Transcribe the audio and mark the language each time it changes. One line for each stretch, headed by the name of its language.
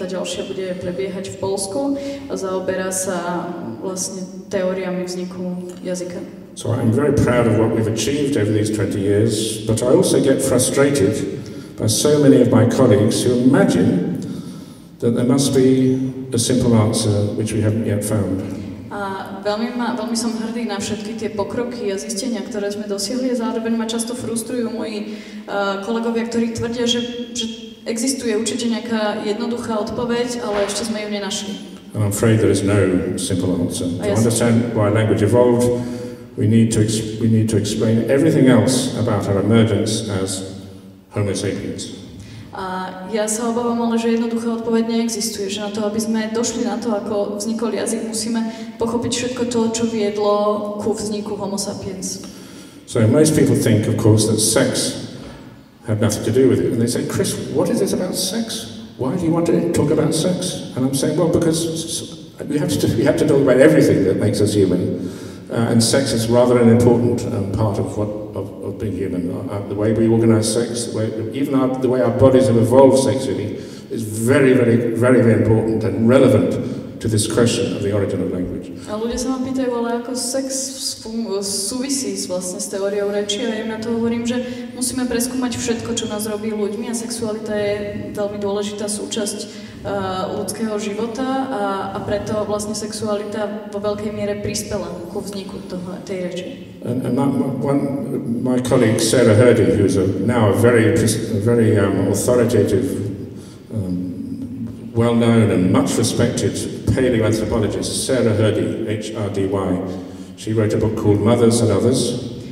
Slovak: Tá ďalšia bude prebiehať v Polsku a zaoberá sa vlastne teóriami vzniku jazyka.
English: So I'm very proud of what we've achieved over these 20 years, but I also get frustrated by so many of my colleagues who imagine that there must be a simple answer which we haven't yet found.
Slovak: A veľmi som hrdý na všetky tie pokroky a zistenia, ktoré sme dosiahli, a zároveň ma často frustrujú moji kolegovia, ktorí tvrdia, že existuje určite nejaká jednoduchá odpoveď, ale ešte sme ju nenašli.
English: And I'm afraid there is no simple answer. To understand why language evolved, we need to explain everything else about our emergence as Homo sapiens.
Slovak: A ja sa obávam, ale že jednoduchá odpoveď neexistuje, že na to, aby sme došli na to, ako vznikol jazyk, musíme pochopiť všetko to, čo viedlo ku vzniku Homo sapiens.
English: So most people think, of course, that sex had nothing to do with it. And they say, Chris, what is this about sex? Why do you want to talk about sex? And I'm saying, well, because we have to talk about everything that makes us human. And sex is rather an important part of what of being human. The way we organize sex, the way our bodies have evolved sexually, is very, very, very, very important and relevant to this question of the origin of language.
Slovak: A ľudia sa ma pýtajú, ale ako sex súvisí vlastne s teóriou reči, a ja im na to hovorím, že musíme preskúmať všetko, čo nás robí ľuďmi, a sexualita je veľmi dôležitá súčasť ľudského života, a preto vlastne sexualita vo veľkej miere prispela ku vzniku tej reči.
English: And my colleague Sarah Hurdy, who's now a very authoritative, well-known and much-respected paleoanthropologist, Sarah Hurdy, H-R-D-Y, she wrote a book called Mothers and Others.